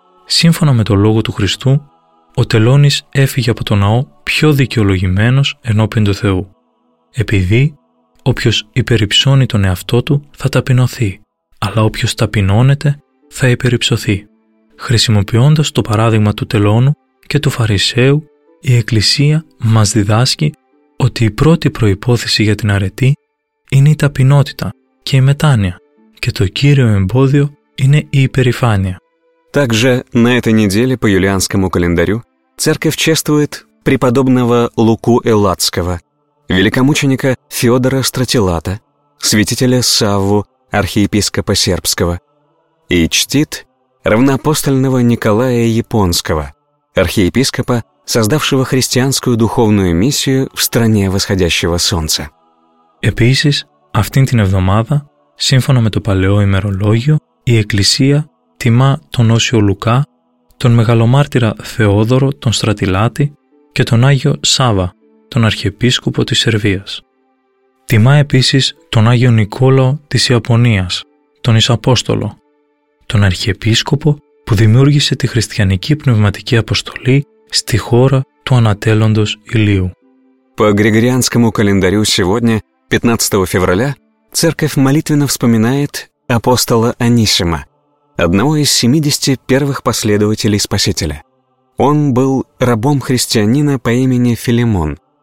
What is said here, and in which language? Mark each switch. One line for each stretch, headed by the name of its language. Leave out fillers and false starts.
Greek: Σύμφωνα με το λόγο του Χριστού, ο Τελώνης έφυγε από το ναό πιο δικαιολογημένος ενώπιν του Θεού, επειδή όποιος υπερυψώνει τον εαυτό του θα ταπεινωθεί, αλλά όποιος ταπεινώνεται θα υπερυψωθεί. Χρησιμοποιώντας το παράδειγμα του Τελώνου και του Φαρισαίου, η Εκκλησία μας διδάσκει ότι η πρώτη προϋπόθεση για την αρετή είναι η ταπεινότητα και η μετάνοια, και το κύριο εμπόδιο είναι η υπερηφάνεια.
Russian: Также на этой неделе по юлианскому календарю церковь чествует преподобного Луку Элладского, великомученика Феодора Стратилата, святителя Савву, архиепископа сербского, и чтит равноапостольного Николая Японского, архиепископа, создавшего христианскую духовную миссию в стране восходящего солнца.
Greek: Επίσης, αυτήν την εβδομάδα, σύμφωνα με το παλαιό ημερολόγιο, η Εκκλησία τιμά τον Όσιο Λουκά, τον μεγαλομάρτυρα Θεόδωρο τον Στρατιλάτη και τον Άγιο Σάβα, τον αρχιεπίσκοπο της Σερβίας. Τιμά επίσης τον Άγιο Νικόλαο της Ιαπωνίας, τον Ισαπόστολο, τον αρχιεπίσκοπο που δημιούργησε τη χριστιανική πνευματική αποστολή στη χώρα του ανατέλλοντος ηλίου.
Russian: По Григорианскому календарю сегодня, 15 февраля, церковь молитвенно вспоминает апостола Анисима, одного из 71 последователей Спасителя. Он был рабом христианина по имени Филимон.